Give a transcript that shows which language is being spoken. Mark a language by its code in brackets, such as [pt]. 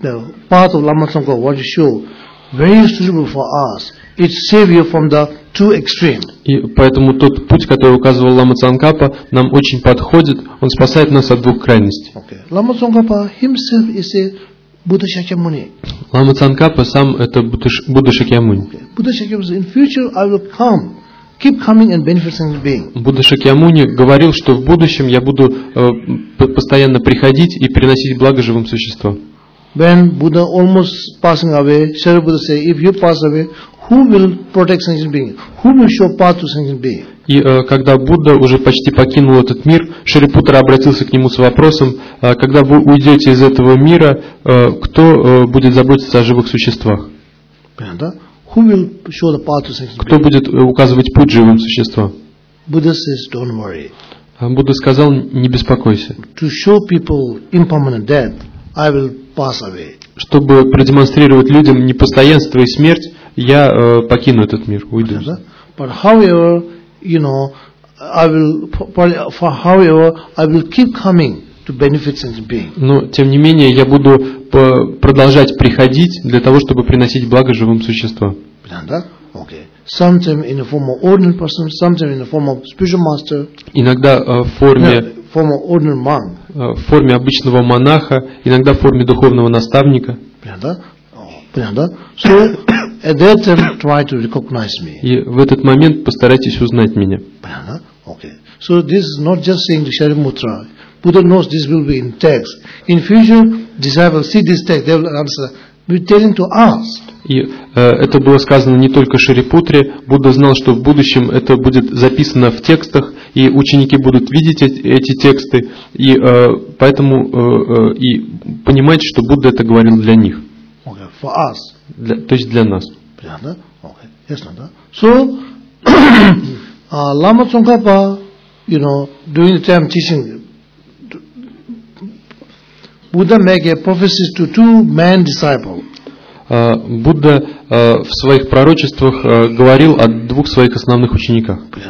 [en] The part of Lama Tsongkhapa want to show very suitable for us. It saves you from the too extreme. [ru] И поэтому тот путь, который указывал Лама Цанкапа, нам очень подходит. Он спасает нас от двух крайностей. [en] Okay. Лама Цанкапа himself is a Buddha Shakyamuni. [ru] Лама Цанкапа сам это Будда Шакьямуни. [en] Okay. Buddha Shakyamuni says, in future I will come, keep coming and benefiting the being. [ru] Будда Шакьямуни говорил, что в будущем я буду постоянно приходить и приносить благо живым существам. [en] When Buddha almost passing away, Sri Buddha say, if you pass away, who will protect sentient being? Who will show path to sentient being? [ru] И когда Будда уже почти покинул этот мир, Шарипутра обратился к нему с вопросом: когда вы уйдете из этого мира, кто будет заботиться о живых существах? Да? [en] Who will show the path to sentient being? [ru] Кто будет указывать путь живым существам? [en] Buddha says, don't worry. [ru] Будда сказал: не беспокойся. [en] To show people impermanent death, I will pass away. [ru] Чтобы продемонстрировать людям непостоянство и смерть, я покину этот мир, уйду. [en] But however, you know, I will for however I will keep coming to benefit sentient being. [ru] Но тем не менее я буду продолжать приходить для того, чтобы приносить благо живым существам. Да? Okay. [en] Sometimes in the form of ordinary person, sometimes in the form of spiritual master. [ru] Иногда в форме [en] Form of ordinary monk. [ru] В форме обычного монаха, иногда в форме духовного наставника. Понятно? [en] So at that time try to recognize me. [ru] И в этот момент постарайтесь узнать меня. Понятно? [en] Okay. So this is not just saying to Шаримутра. Buddha knows this will be in text. In future, disciples see this text, they will answer. We're telling to us. [ru] И это было сказано не только Шарипутре. Будда знал, что в будущем это будет записано в текстах, и ученики будут видеть эти тексты, и поэтому и понимать, что Будда это говорил для них. [en] Okay. For us. [ru] То есть для нас. Понятно? [en] Okay. [ru] Ясно, да? [en] So, Лама Цонгапа, you know, during the time teaching, Buddha make a prophecy to two man disciples. [ru] Будда в своих пророчествах говорил о двух своих основных учениках.